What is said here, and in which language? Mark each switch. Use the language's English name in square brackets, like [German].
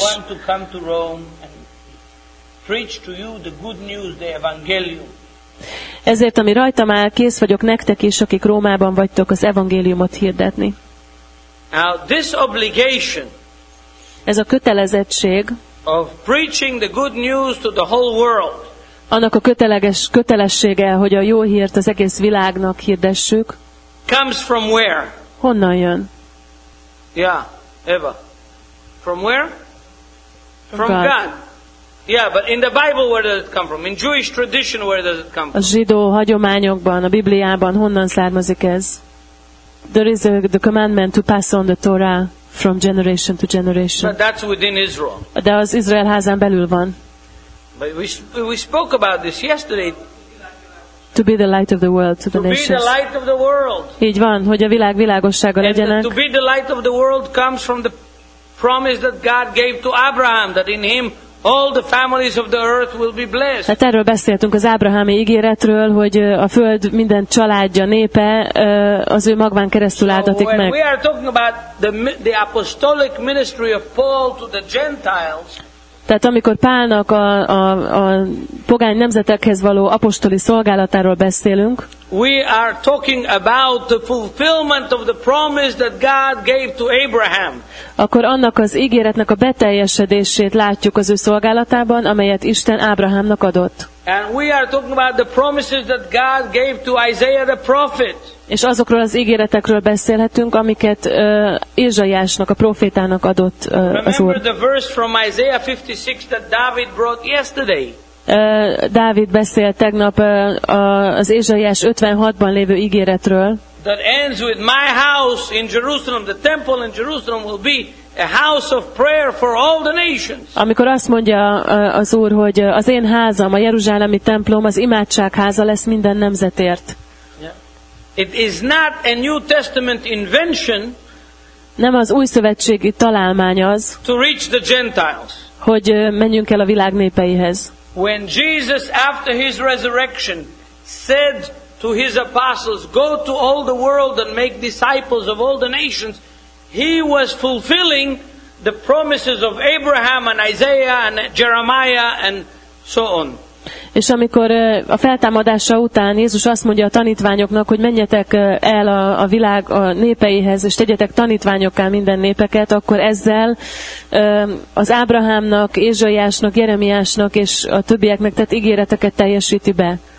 [English] I want to come to Rome and preach to you the good news, the evangelium. [Hungarian] Ezért ami rajtam áll, kész vagyok nektek is, akik Rómában vagytok, az evangéliumot hirdetni. [English] Now this obligation, [Hungarian] ez a kötelezettség, [English] of preaching the good news to the whole world. [Hungarian] Annak a kötelessége, hogy a jó hírt az egész világnak hirdessük. [English] Comes from where? [Hungarian] Honnan jön? [English] Yeah, Eva. From where? From God. Yeah, but in the Bible where does it come from? In Jewish tradition where does it come from? [Hungarian] A zsidó hagyományokban, a Bibliában honnan származik ez? [English] There is the commandment to pass on the Torah from generation to generation. But that's within Israel. [Hungarian] De az Izrael házán belül van. [English] We spoke about this yesterday. To be the light of the world to the nations. To be the light of the world. [Hungarian] Így van, hogy a világ világossága legyenek. [English] To be the light of the world comes from the promise that God gave to Abraham, that in him all the families of the earth will be blessed. [Hungarian] Hát erről beszéltünk, az ábrahámi ígéretről, hogy a föld minden családja, népe az ő magván keresztül áldatik meg. [English] We are talking about the apostolic ministry of Paul to the Gentiles. [Hungarian] Tehát amikor Pálnak a pogány nemzetekhez való apostoli szolgálatáról beszélünk, [English] we are talking about the fulfillment of the promise that God gave to Abraham. [Hungarian] Akkor annak az ígéretnek a beteljesedését látjuk az ő szolgálatában, amelyet Isten Ábrahámnak adott. [English] And we are talking about the promises that God gave to Isaiah the prophet. [Hungarian] És azokról az ígéretekről beszélhetünk, amiket Ézsaiásnak, a prófétának adott az Úr. [English] Remember the verse from Isaiah 56 that David brought yesterday. [Hungarian] Dávid beszélt tegnap az Ézsaiás 56-ban lévő ígéretről. [English] That ends with my house in Jerusalem, the temple in Jerusalem will be a house of prayer for all the nations. [Hungarian] Amikor azt mondja az Úr, hogy az én házam, a jeruzsálemi templom, az imádság háza lesz minden nemzetért. [English] Yeah. It is not a New Testament invention. [Hungarian] Nem az új szövetségi találmány az. [English] To reach the Gentiles. [Hungarian] Hogy menjünk el a világ népeihez. [English] When Jesus, after his resurrection, said to his apostles, "Go to all the world and make disciples of all the nations." He was fulfilling the promises of Abraham and Isaiah and Jeremiah and so on. [Hungarian] És amikor a feltámadása után Jézus azt mondja a tanítványoknak, hogy menjetek el a világ a népeihez, és tegyetek tanítványokká minden népeket, akkor ezzel az Ábrahámnak, Ézsaiásnak, Jeremiásnak és a többieknek tett ígéreteket teljesíti be.